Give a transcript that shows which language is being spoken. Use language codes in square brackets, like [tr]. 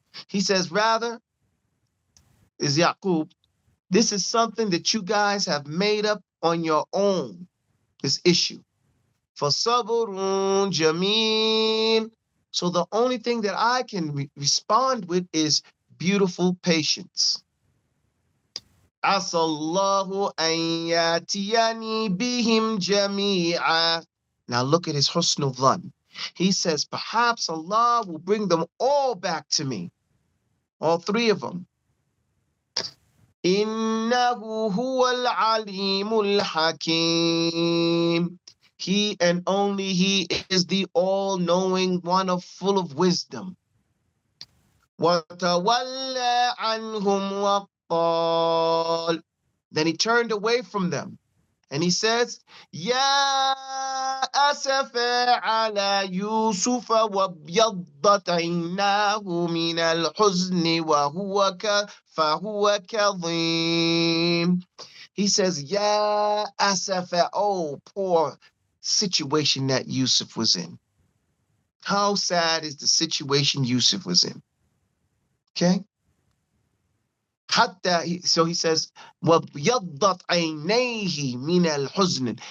[en] He says, rather, is Yaqub, this is something that you guys have made up on your own, this issue. [ar] فَصَبْرٌ جَمِيلٌ. [en] So the only thing that I can respond with is beautiful patience. [ar] عَسَى اللَّهُ أَن يَأْتِيَنِي بِهِمْ جَمِيعًا. [en] Now look at his husnul dhan. He says, perhaps Allah will bring them all back to me, all three of them. [ar] إِنَّهُ هُوَ الْعَلِيمُ الْحَكِيمُ. [en] He and only he is the all-knowing one of full of wisdom. [ar] وَتَوَلَّ عَنْهُمْ وَقَّالْ. [en] Then he turned away from them. And he says, [ar] يَا أَسَفَ عَلَى يُوسُفَ وَبْيَضَّتْ عَيْنَاهُ مِنَ الْحُزْنِ وَهُوَ فَهُوَ كَظِيمٌ. [en] He says, [ar] يَا أَسَفَ, [en] oh, poor situation that Yusuf was in. How sad is the situation Yusuf was in? Okay. Hatta, so he says, [ar] وَبْيَضَّتْ عَيْنَيْهِ مِنَ الْحُزْنِ.